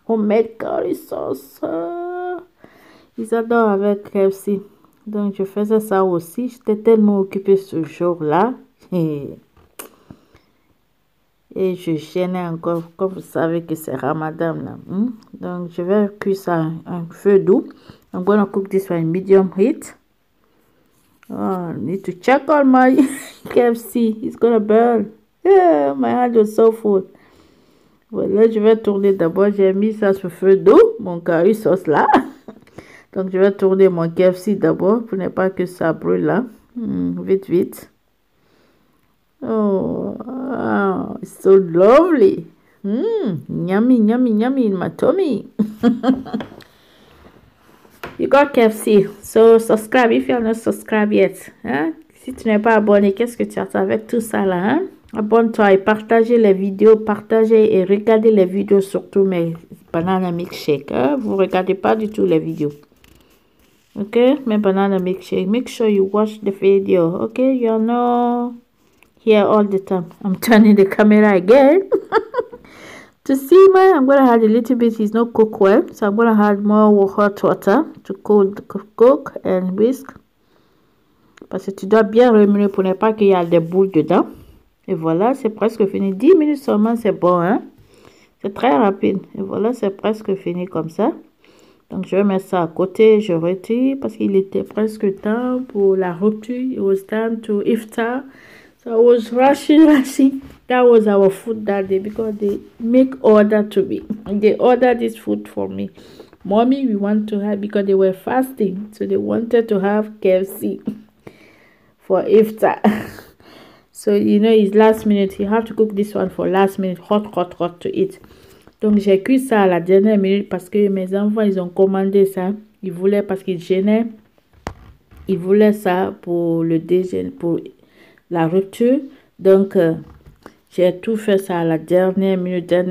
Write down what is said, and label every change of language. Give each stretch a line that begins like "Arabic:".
English: Homemade curry sauce.
French: Ils adorent avec KFC. Donc je faisais ça aussi. J'étais tellement occupée ce jour-là. Et je gênais encore, comme vous savez que c'est Ramadan là. Donc, je vais cuire ça à un feu doux.
English: I'm going to cook this one medium heat. Oh, I need to check on my KFC. It's going to burn. Yeah, my hand is so full.
French: Voilà, je vais tourner d'abord. J'ai mis ça sur feu doux, mon curry sauce là. Donc, je vais tourner mon KFC d'abord pour ne pas que ça brûle là. Vite, vite.
English: Oh, wow, so lovely. Yummy, yummy, yummy in my tummy. You got KFC. So subscribe if you're not subscribed yet. Hein?
French: Si tu n'es pas abonné, qu'est-ce que tu attends avec tout ça là? Hein? Abonne-toi et partage les vidéos. Partagez et regardez les vidéos, surtout mes bananas milkshake. Hein? Vous ne regardez pas du tout les vidéos.
English: Ok?
French: Mes bananas milkshake.
English: Make sure you watch the video. Ok? You know. Here all the time. I'm turning the camera again to see my. I'm gonna add a little bit. It's not cooked well, so I'm gonna add more hot water to cook and whisk.
French: Parce que tu dois bien remuer pour ne pas qu'il y ait des boules dedans. Et voilà, c'est presque fini. 10 minutes seulement, c'est bon, hein? C'est très rapide. Et voilà, c'est presque fini comme ça. Donc je vais mettre ça à côté. Je retire parce qu'il était presque temps pour la rupture.
English: It was time to iftar. I was rushing. That was our food that day because they make order to me. They ordered this food for me. Mommy, we want to have because they were fasting. So they wanted to have KFC for iftar. So, you know, it's last minute. You have to cook this one for last minute. Hot, hot, hot to eat.
French: Donc, j'ai cuit ça à la dernière minute parce que mes enfants, ils ont commandé ça. Ils voulaient parce qu'ils gênaient. Ils voulaient ça pour le déjeuner, pour la rupture. Donc j'ai tout fait ça à la dernière minute.